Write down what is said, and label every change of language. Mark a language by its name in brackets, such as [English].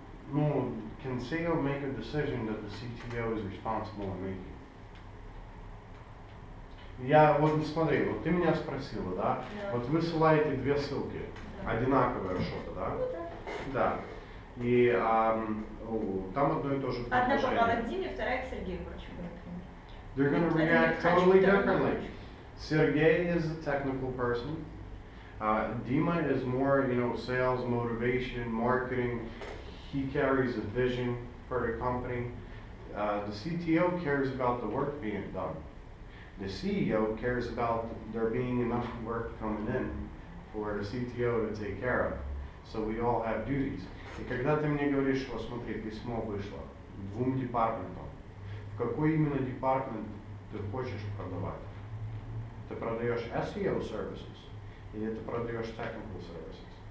[English] Ну, can SEO make a decision that the CTO is responsible in making? [Russian] Я вот смотри, вот ты меня спросила, да? [English] Yeah. [Russian] Вот вы ссылаете две ссылки, [English] yeah. [Russian] одинаковое что-то, да? [English] Yeah. [Russian] Да. И там одно и то же предложение. Одна попала к Диме, вторая к Сергею Курчуку. [English] They're going to react totally differently. Сергей is a technical person. Дима is more, you know, sales, motivation, marketing. He carries a vision for the company. The CTO cares about the work being done. The CEO cares about there being enough work coming in for the CTO to take care of. So we all have duties. [Russian] И когда ты мне говоришь, что смотри, письмо вышло двум департаментам, в какой именно департамент ты хочешь продавать? Ты продаешь SEO services или ты продаешь technical services?